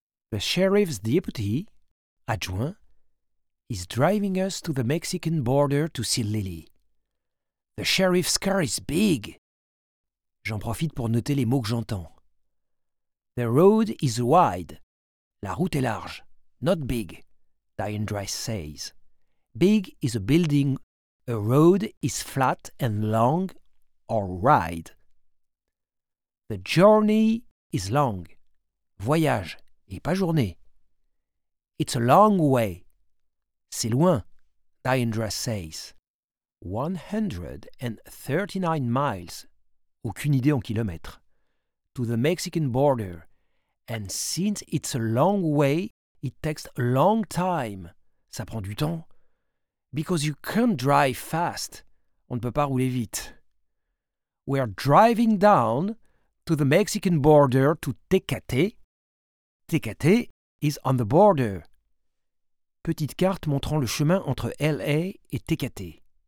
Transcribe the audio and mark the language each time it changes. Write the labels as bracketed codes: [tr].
[en] The sheriff's deputy, adjoint, is driving us to the Mexican border to see Lily. The sheriff's car is big. [fr] J'en profite pour noter les mots que j'entends. [en] The road is wide. [fr] La route est large. [en] Not big, Diane Dryce says. Big is a building. A road is flat and long or wide. The journey is long. [fr] Voyage et pas journée. [en] It's a long way. [fr] C'est loin, [en] Diane Dryce says. [fr] 139 miles. Aucune idée en kilomètres. [en] To the Mexican border. And since it's a long way, it takes a long time. [fr] Ça prend du temps. [en] Because you can't drive fast. [fr] On ne peut pas rouler vite. [en] We're driving down to the Mexican border to Tecate. Tecate is on the border. [fr] Petite carte montrant le chemin entre LA et Tecate.